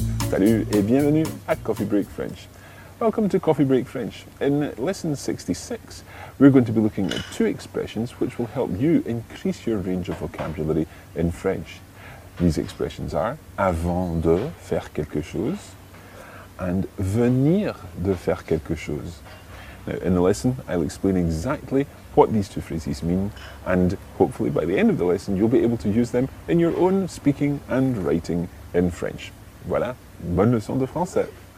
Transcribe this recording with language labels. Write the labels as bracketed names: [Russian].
[French] Salut et bienvenue à Coffee Break French. [English] Welcome to Coffee Break French. In lesson 66, we're going to be looking at two expressions which will help you increase your range of vocabulary in French. These expressions are [French] avant de faire quelque chose [English] and [French] venir de faire quelque chose. [English] Now, in the lesson, I'll explain exactly what these two phrases mean, and hopefully by the end of the lesson, you'll be able to use them in your own speaking and writing in French. [French] Voilà, bonne leçon de français.